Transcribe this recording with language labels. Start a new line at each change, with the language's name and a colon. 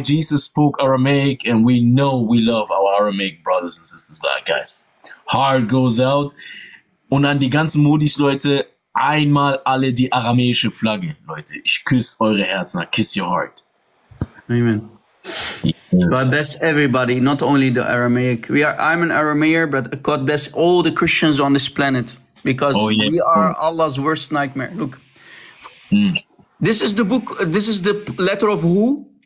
English: Jesus spoke Aramaic and we know we love our Aramaic brothers and sisters. Guys, heart goes out.
German: Und an die ganzen Modis, Leute, einmal alle die aramäische Flagge, Leute. Ich küsse eure Herzen.
English: I kiss your heart. Amen. Yes. God bless everybody, not only the Aramaic. I'm an Aramaic, but God bless all the Christians on this planet. because we are Allah's worst nightmare. Look, this is the book, this is the letter of who?